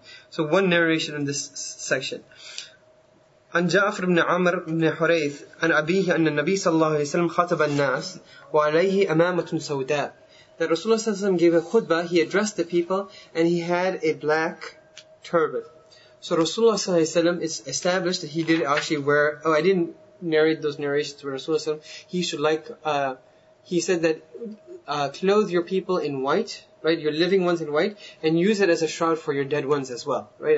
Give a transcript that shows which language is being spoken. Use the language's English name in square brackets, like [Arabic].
[English] So one narration in this section. [Arabic] عن جعفر بن عمر بن حريث عن أبيه أن النبي صلى الله عليه وسلم خطب الناس وعليه أمامة سوداء. [English] That Rasulullah صلى الله عليه وسلم gave a khutbah, he addressed the people and he had a black turban. So Rasulullah صلى الله عليه وسلم is established that he did actually wear, oh, I didn't narrate those narrations, but Rasulullah صلى الله عليه وسلم, he said that clothe your people in white, right, your living ones in white, and use it as a shroud for your dead ones as well, right?